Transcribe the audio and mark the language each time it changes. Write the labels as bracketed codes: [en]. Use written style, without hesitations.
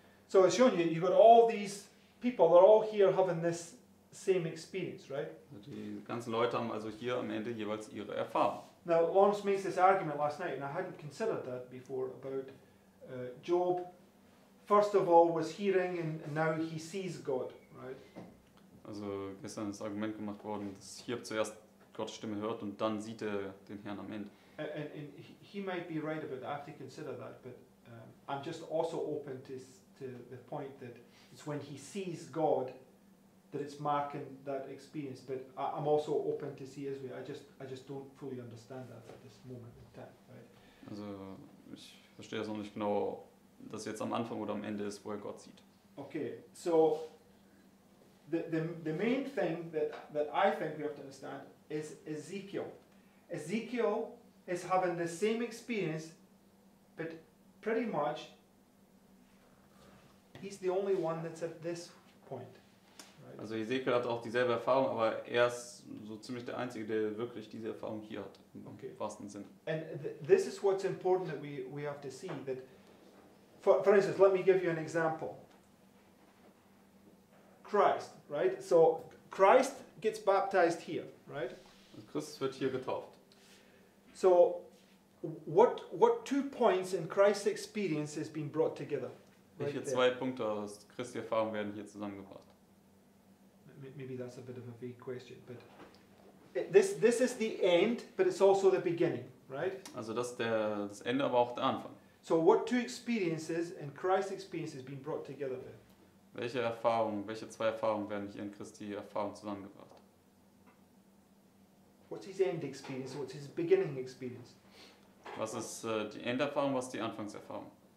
[en] So it's showing you, you've got all these people, they're all here having this same experience, right? [de] Die ganzen Leute haben also hier am Ende jeweils ihre Erfahrung. [en] Now, Lawrence made this argument last night, and I hadn't considered that before, about Job, first of all, was hearing, and now he sees God, right? [de] Also gestern ist das Argument gemacht worden, dass Hiob zuerst Gottes Stimme hört und dann sieht er den Herrn am Ende. [en] And he might be right about that, I have to consider that, but I'm just also open to the point that it's when he sees God that it's marking that experience. But I'm also open to see Israel. I just don't fully understand that at this moment in time, right? [de] Also ich verstehe es noch nicht genau, dass jetzt am Anfang oder am Ende ist, wo er Gott sieht. [en] Okay, so the main thing that I think we have to understand is Ezekiel. Ezekiel is having the same experience, but pretty much he's the only one that's at this point. Right? [de] Also Ezekiel hat auch dieselbe Erfahrung, aber er ist so ziemlich der Einzige, der wirklich diese Erfahrung hier hat, im wahrsten Sinn. [en] And this is what's important that we have to see, that for instance, let me give you an example. Christ, right? So Christ gets baptized here, right? [de] Und Christus wird hier getauft. [en] So what two points in Christ's experience has been brought together? [de] Welche zwei Punkte aus Christi Erfahrung werden hier zusammengebracht? [en] Maybe that's a bit of a vague question, but this is the end, but it's also the beginning, right? [de] Also das ist das Ende, aber auch der Anfang. [en] So what two experiences and Christ's experience has been brought together there? [de] Welche zwei Erfahrungen werden hier in Christi Erfahrung zusammengebracht? [en] What's his end experience? What's his beginning experience? [de] Was ist die Enderfahrung, was ist die Anfangserfahrung?